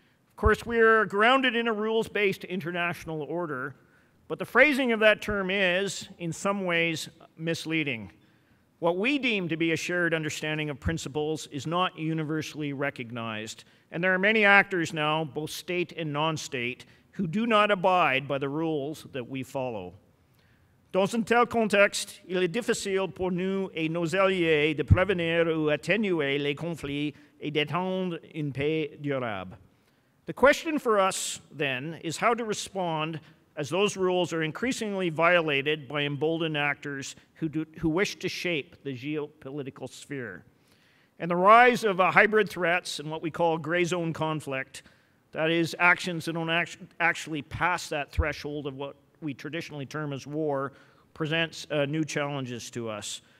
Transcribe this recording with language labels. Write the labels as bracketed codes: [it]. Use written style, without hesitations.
[en] Of course, we are grounded in a rules-based international order, but the phrasing of that term is, in some ways, misleading. What we deem to be a shared understanding of principles is not universally recognized, and there are many actors now, both state and non-state, who do not abide by the rules that we follow. [fr] Dans un tel contexte, il est difficile pour nous et nos alliés de prévenir ou atténuer les conflits et d'étendre une paix durable. [en] The question for us, then, is how to respond as those rules are increasingly violated by emboldened actors who wish to shape the geopolitical sphere. And the rise of hybrid threats and what we call gray zone conflict, that is, actions that don't actually pass that threshold of what we traditionally term as war, presents new challenges to us.